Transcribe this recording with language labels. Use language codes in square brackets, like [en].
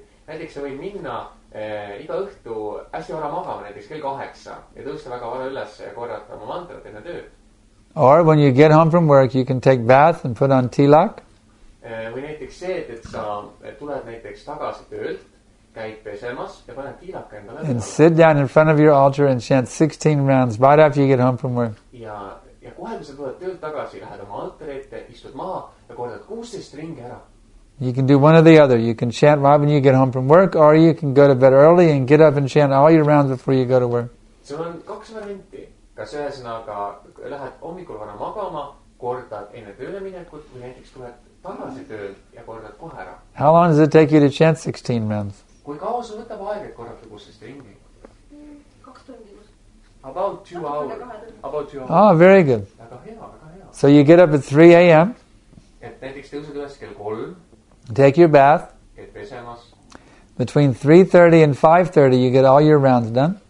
[et] Näiteks sa võid minna iga õhtu hästi vara magama, näiteks kell 8 ja tõusta väga vara üles ja korrata oma mantrat enne tööd. [en] Or when you get home from work, you can take bath and put on tilak. [et] Või näiteks see, et sa tuled näiteks tagasi töölt, käid pesemas ja paned tilaka enda läbi. [en] And sit down in front of your altar and chant 16 rounds right after you get home from work. [et] Ja kohe kui sa tuled tööl tagasi, lähed oma altari ette, istud maha ja kordad 16 ringi ära. [en] You can do one or the other. You can chant right when you get home from work, or you can go to bed early and get up and chant all your rounds before you go to work. [et] See on kaks varianti. Kas ühesõnaga lähed hommikul vana magama, kordad enne tööle minekut, või näiteks tuled tagasi tööl ja kordad kohe ära. [en] How long does it take you to chant 16 rounds? [et] Kui kaua sul võtab aega, et korrata 16 ringi? Kaks tundi. [en] About two hours. Ah, very good. [et] Väga hea. [en] So you get up at 3 a.m. [et] Et näiteks tõused üles kell 3. [en] Take your bath. Between 3:30 and 5:30, you get all your rounds done.